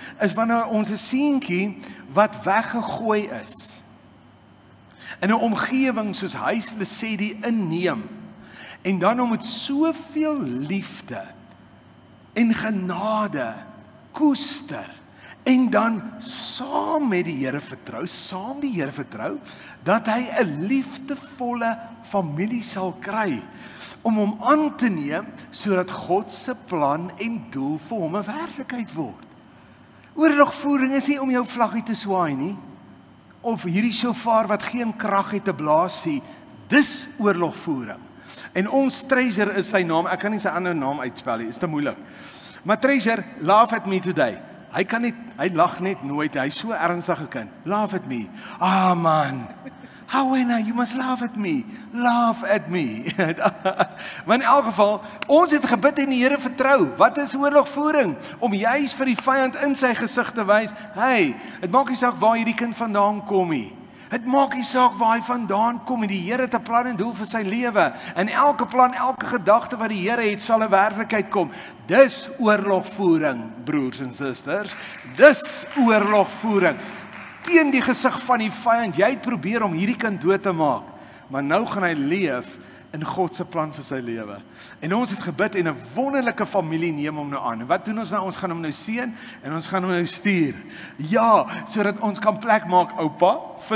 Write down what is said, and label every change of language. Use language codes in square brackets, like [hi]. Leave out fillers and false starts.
[af] Is wanneer ons 'n seentjie wat weggegooi is, in 'n omgewing soos huis Lesedi inneem, en dan om met soveel liefde en genade koester, en dan saam met die Here vertrou, saam die Here vertrou, dat hy 'n liefdevolle familie sal kry, om hom aan te neem, sodat God se plan en doel vir hom 'n werklikheid word. Oorlogvoering is nie om jou vlaggie te swaai nie, of hierdie shofar wat geen krag het te blaas nie, dis oorlogvoering. En ons treasure is sy naam, ek kan nie sy ander naam uitspel nie, is te moeilik. Maar treasure, [en] laugh at me today. [af] Hy kan nie, hy lag net nooit, hy is so ernstige kind. [en] Laugh at me. Ah man, Hawena, you must laugh at me. Laugh at me. [af] Maar in elk geval, ons het gebid en die Here vertrou. Wat is oorlogvoering? Om juist vir die vyand in sy gesig te wys, hey, het maak nie saak waar hierdie kind vandaan kom nie. Het maak nie saak waar hy vandaan kom en die Here het 'n plan en doel vir sy lewe. En elke plan, elke gedagte wat die Here het, sal 'n werklikheid kom. Dis oorlogvoering, broers en susters. Dis oorlogvoering. Teen die gesig van die vyand, jy het probeer om hierdie kind dood te maak, maar nou gaan hy leef in God se plan vir sy lewe. En ons het gebid en 'n wonderlike familie neem hom nou aan. En wat doen ons nou? Ons gaan hom nou seën en ons gaan hom nou stuur. Ja, sodat ons kan plek maak, oupa.